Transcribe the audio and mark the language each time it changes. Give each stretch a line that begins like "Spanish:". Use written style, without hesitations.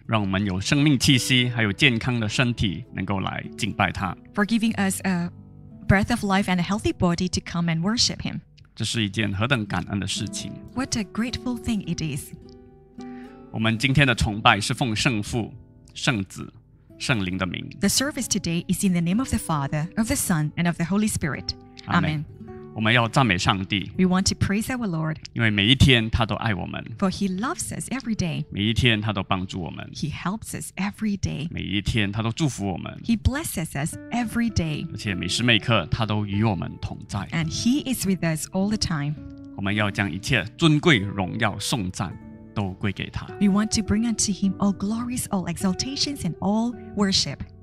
Chinese: 让我们有生命气息，还有健康的身体，能够来敬拜他。
English: For giving us a breath of life and a healthy body to come and worship Him.
Chinese: 这是一件何等感恩的事情。
English: What a grateful thing it is.
Chinese: 我们今天的崇拜是奉圣父、圣子、圣灵的名。
English: The service today is in the name of the Father, of the Son, and of the Holy Spirit.
Chinese: Amen. 我们要赞美上帝。
English: We want to praise our Lord.
Chinese: 因为每一天他都爱我们。
English: For He loves us every day.
Chinese: 每一天他都帮助我们。
English: He helps us every day.
Chinese: 每一天他都祝福我们。
English: He blesses us every day.
Chinese: 而且每时每刻他都与我们同在。
English: And He is with us all the time.
Chinese: 我们要将一切尊贵、荣耀、颂赞都归给他。
English: We want to bring unto Him all glories, all exaltations, and all worship.